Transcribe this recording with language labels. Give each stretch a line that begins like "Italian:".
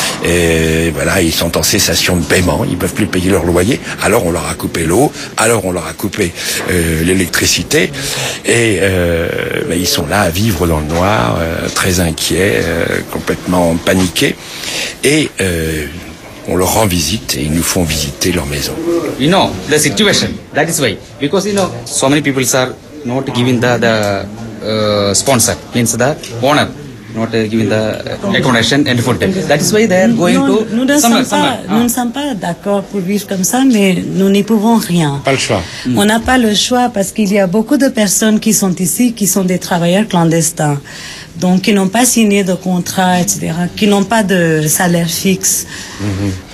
French: Et voilà, ils sont en cessation de paiement, ils peuvent plus payer leur loyer, alors on leur a coupé l'eau, alors on leur a coupé l'électricité, et ils sont là à vivre dans le noir, très inquiets, complètement paniqués, et on leur rend visite et ils nous font visiter leur maison.
English: You know the situation, that is why, because you know so many people are not giving the sponsor, means the owner. Not giving the accommodation and food. That is why they are going
French: Nous ne sommes pas d'accord pour vivre comme ça, mais nous n'y pouvons rien. Pas le choix. Mm. On n'a pas le choix parce qu'il y a beaucoup de personnes qui sont ici qui sont des travailleurs clandestins. Donc, qui n'ont pas signé de contrat, etc. Qui n'ont pas de salaire fixe. Mm-hmm.